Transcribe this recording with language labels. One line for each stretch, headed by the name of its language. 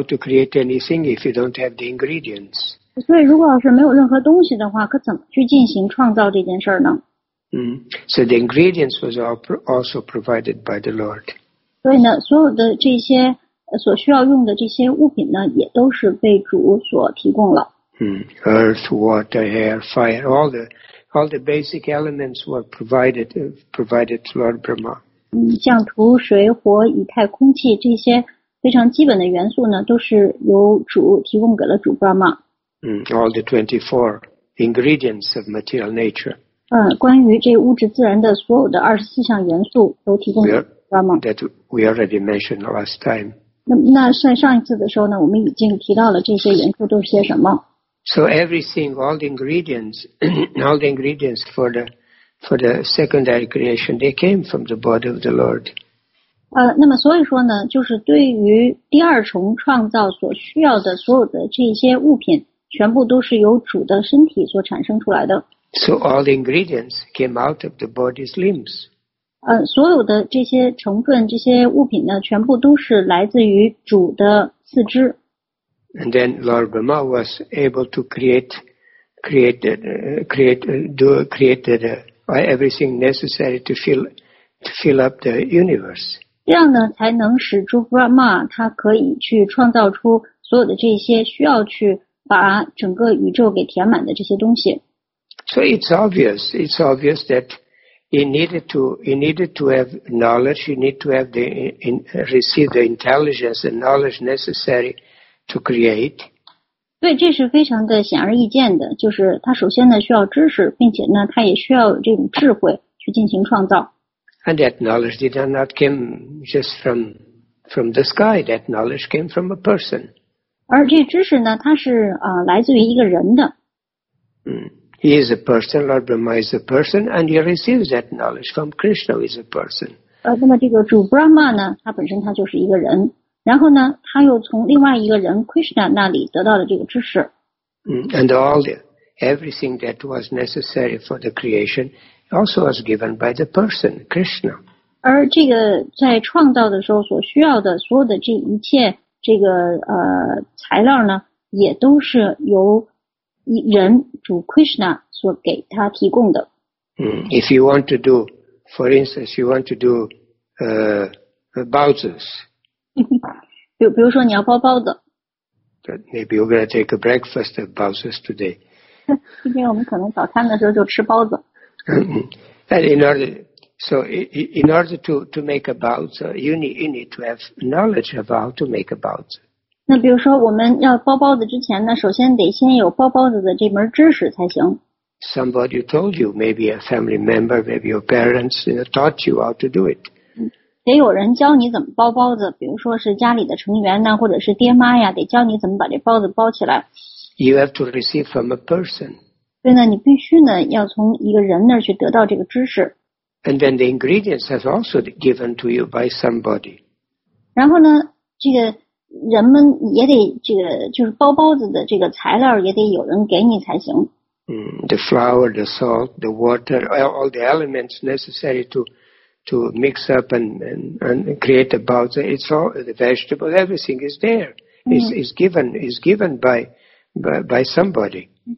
English: How to create if you don't have the ingredients?
Chinese: 所以如果要是没有任何东西的话，可怎么去进行创造这件事呢？
English: So the ingredients was also provided by the Lord.
Chinese: 所以呢，所有的这些所需要用的这些物品呢，也都是被主所提供了。
English: Earth, water, air, fire, all the basic elements were provided to Lord Brahma.
Chinese: 像土、水、火、以太、空气这些非常基本的元素呢，都是由主提供给了主 Brahma。
English: All the 24 ingredients of material nature。
Chinese: 关于这物质自然的所有的24项元素都提供给 Brahma。
English: That we already mentioned last time。
Chinese: 那在上一次的时候呢，我们已经提到了这些元素都是些什么。
English: So everything, all the ingredients for the secondary creation, they came from the body of the Lord.
Chinese: 那么所以说呢，就是对于第二重创造所需要的所有的这些物品，全部都是由主的身体所产生出来的。
English: So all the ingredients came out of the body's limbs.
Chinese: 所有的这些成分、这些物品呢，全部都是来自于主的四肢。
English: And then Lord Brahma was able to create everything necessary to fill up the universe.
Chinese: 这样呢，才能使诸 Brahma 他可以去创造出所有的这些需要去把整个宇宙给填满的这些东西。
English: So it's obvious that he needed to have knowledge. He need to have receive the intelligence and knowledge necessary to create.
Chinese: 对，这是非常的显而易见的，就是他首先呢需要知识，并且呢他也需要这种智慧去进行创造。
English: And that knowledge did not come just from the sky. That knowledge came from a person.
Chinese: 而这知识呢，它是来自于一个人的。
English: He is a person, Lord Brahma is a person, and he receives that knowledge from Krishna, who is a person.
Chinese: 那么这个主 Brahma 呢，他本身他就是一个人，然后呢，他又从另外一个人 Krishna 那里得到了这个知识。
English: And all the, everything that was necessary for the creation also was given by the person, Krishna.
Chinese: 而这个在创造的时候所需要的所有的这一切这个材料呢，也都是由人主 Krishna 所给他提供的。
English: If you want to do, for instance, you want to do baozi's.
Chinese: 比如说你要包包子。
English: But maybe we're going to take a breakfast of baozi's today.
Chinese: 今天我们可能早餐的时候就吃包子。
English: And in order, so in order to make a baozi, you need to have knowledge of how to make a baozi.
Chinese: 那比如说我们要包包子之前呢，首先得先有包包子的这门知识才行。
English: Somebody told you, maybe a family member, maybe your parents, you know, taught you how to do it.
Chinese: 得有人教你怎么包包子，比如说是家里的成员呢，或者是爹妈呀，得教你怎么把这包子包起来。
English: You have to receive from a person.
Chinese: 对呢，你必须呢要从一个人那儿去得到这个知识。
English: And then the ingredients have also given to you by somebody.
Chinese: 然后呢，这个。人们也得这个就是包包子的这个材料也得有人给你才行。
English: The flour, the salt, the water, all the elements necessary to mix up and create a baozi. It's all the vegetables. Everything is there. Is given by somebody.